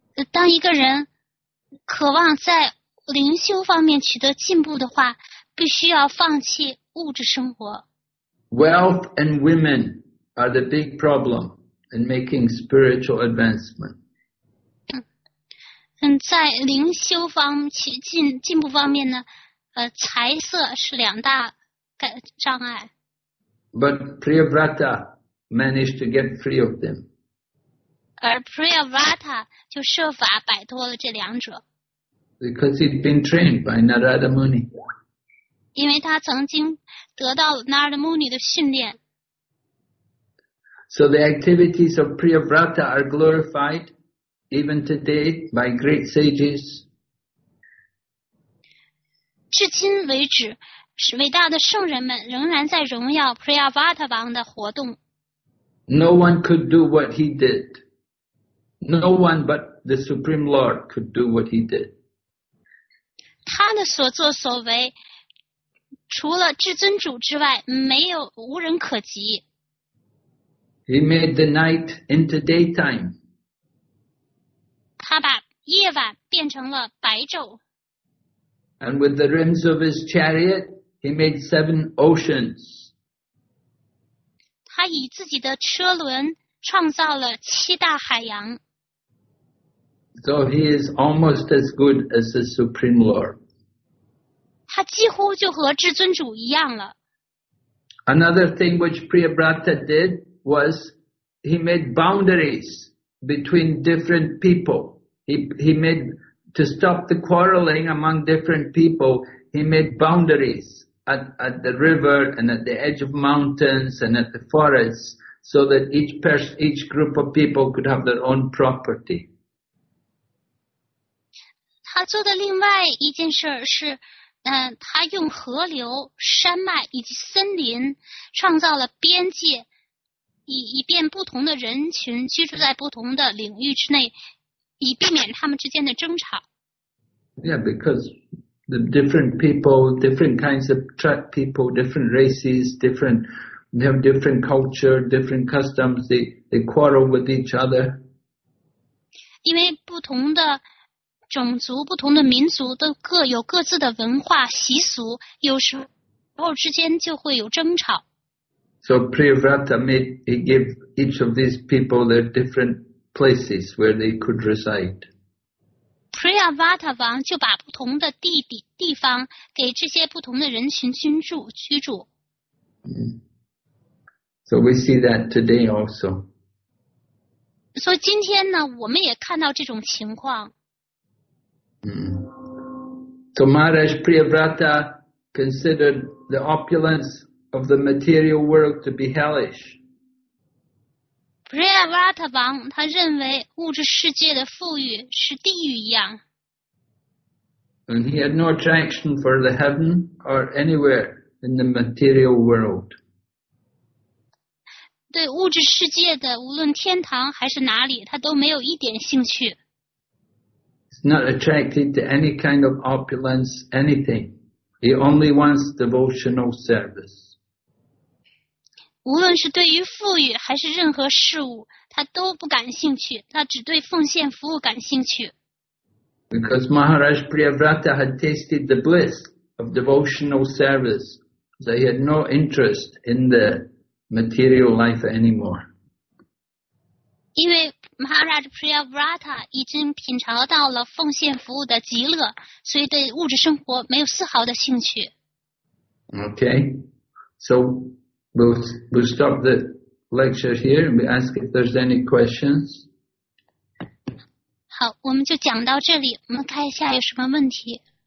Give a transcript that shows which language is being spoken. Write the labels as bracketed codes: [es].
[zh] 当一个人渴望在灵修方面取得进步的话，必须要放弃物质生活。 [en] Wealth and women are the big problem in making spiritual advancement. [zh] 在灵修方取进步方面呢，财色是两大障碍。 [en] But Priyavrata managed to get free of them. [zh] 而 Priyavrata 就设法摆脱了这两者。 [en] Because he'd been trained by Narada Muni. [zh] 因为他曾经得到 Narada Muni 的训练。 [en] So the activities of Priyavrata are glorified even today by great sages. [zh] 至今为止伟大的圣人们仍然在荣耀 Priyavrata 王的活动。 [en] No one could do what he did. No one but the Supreme Lord could do what he did. [zh] 他的所作所为除了至尊主之外没有无人可及。 [en] He made the night into daytime. [zh] 他把夜晚变成了白昼。 [en] And with the rims of his chariot, he made seven oceans. [zh] 他以自己的车轮创造了七大海洋。 [en] So he is almost as good as the Supreme Lord. [zh] 他几乎就和至尊主一样了。 [en] Another thing which Priyabrata did was he made boundaries between different people. He made, to stop the quarreling among different people, he made boundaries at the river and at the edge of mountains and at the forests so that each group of people could have their own property. [zh] 他做的另外一件事是他用河流、山脉以及森林创造了边界 以便不同的人群居住在不同的领域之内以避免他们之间的争吵。 [en] Yeah, because the different people, different kinds of tribe people, different races, different, they have different culture, different customs, they quarrel with each other. [zh] 因为不同的种族不同的民族都各有各自的文化习俗有时候之间就会有争吵。 [en] So Priyavrata made, he gave each of these people their different places where they could reside. [zh] Priyavrata 王就把不同的地方给这些不同的人群居住。 [en] So we see that today also. [zh] 所以今天呢我们也看到这种情况。 [en] So Maharaj Priyavrata considered the opulence of the material world to be hellish. [zh] Priyavrata 王他认为物质世界的富裕是地狱一样。 [en] And he had no attraction for the heaven or anywhere in the material world. [zh] 对物质世界的无论天堂还是哪里他都没有一点兴趣。 [en] Not attracted to any kind of opulence, anything. He only wants devotional service. [zh] 无论是对于富裕还是任何事物，他都不感兴趣，他只对奉献服务感兴趣。 [en] Because Maharaj Priyavrata had tasted the bliss of devotional service, so he had no interest in the material life anymore. [zh] 因为Maharaj Priyavrata 已经品尝到了奉献服务的极乐，所以对物质生活没有丝毫的兴趣。 [en] Okay, so we'll stop the lecture here and we ask if there's any questions. [zh] 好，我们就讲到这里，我们看一下有什么问题。